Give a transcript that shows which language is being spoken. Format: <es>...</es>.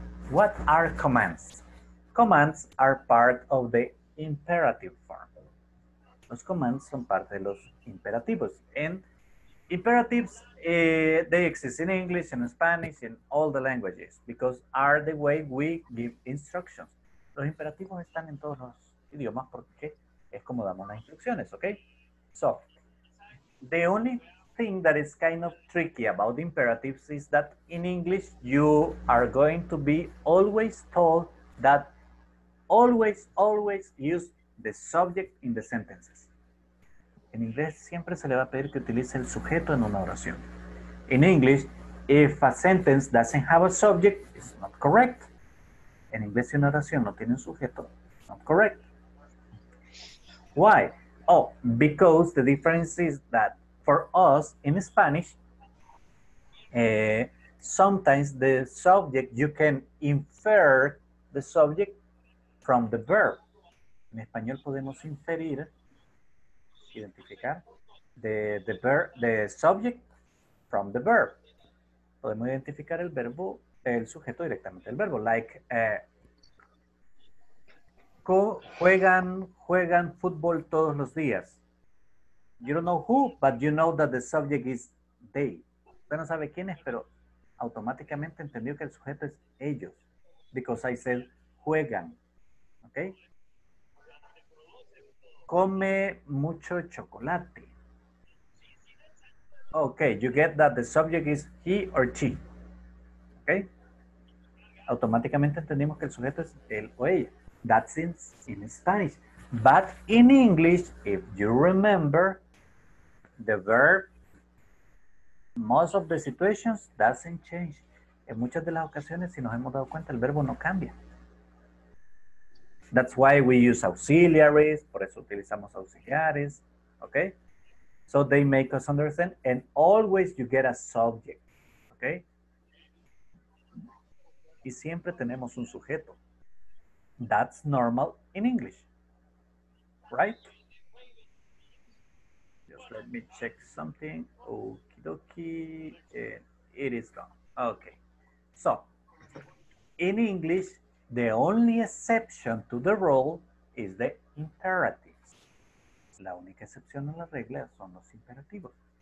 <en>What are commands? Commands are part of the imperative form.</en> <es>Los commands son parte de los imperativos.</es> <en>And imperatives, they exist in English, in Spanish, in all the languages, because are the way we give instructions.</en> <es>Los imperativos están en todos los idiomas porque es como damos las instrucciones, okay?</es> <en>So, the only thing that is kind of tricky about imperatives is that in English, you are going to be always told that always, always use the subject in the sentences.</en> <es>En inglés siempre se le va a pedir que utilice el sujeto en una oración.</es> <en>In English, if a sentence doesn't have a subject, it's not correct.</en> <es>En inglés, si una oración no tiene un sujeto,</es> <en>not correct. Why? Oh, because the difference is that for us in Spanish, sometimes the subject, you can infer the subject from the verb.</en> <es>En español podemos inferir, identificar</es> <en>the subject from the verb.</en> <es>Podemos identificar el verbo, el sujeto directamente del verbo. Like, juegan fútbol todos los días.</es> <en>You don't know who, but you know that the subject is they.</en> <es>Usted no sabe quiénes, pero automáticamente entendió que el sujeto es ellos.</es> <en>Because I said juegan. Okay?</en> <es>Come mucho chocolate.</es> <en>Okay, you get that the subject is he or she. Okay?</en> <es>Automáticamente entendimos que el sujeto es él o ella.</es> <en>That's in Spanish. But in English, if you remember, the verb, most of the situations, doesn't change.</en> <es>En muchas de las ocasiones, si nos hemos dado cuenta, el verbo no cambia.</es> <en>That's why we use auxiliaries,</en> <es>por eso utilizamos auxiliares,</es> <en>okay? So they make us understand, and always you get a subject, okay?</en> <es>Y siempre tenemos un sujeto.</es> <en>That's normal in English, right? Just let me check something. Okie dokie, it is gone. Okay, so in English, the only exception to the rule is the imperatives.</en> <es>La única excepción a la regla son los imperativos.</es>